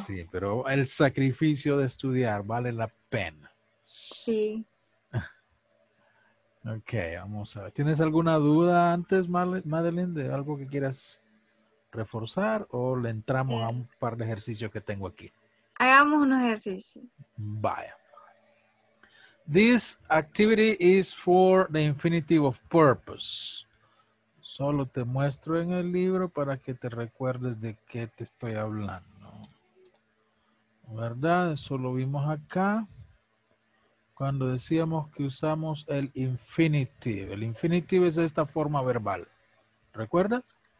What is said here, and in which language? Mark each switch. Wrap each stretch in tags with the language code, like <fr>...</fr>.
<es>Sí, pero el sacrificio de estudiar vale la pena. Sí. Ok, vamos a ver. ¿Tienes alguna duda antes, Madeline, de algo que quieras reforzar o le entramos a un par de ejercicios que tengo aquí? Hagamos un ejercicio. Vaya.</es> <en>This activity is for the infinitive of purpose.</en> <es>Solo te muestro en el libro para que te recuerdes de qué te estoy hablando. ¿Verdad? Eso lo vimos acá. Cuando decíamos que usamos el infinitive. El infinitive es esta forma verbal. ¿Recuerdas?</es>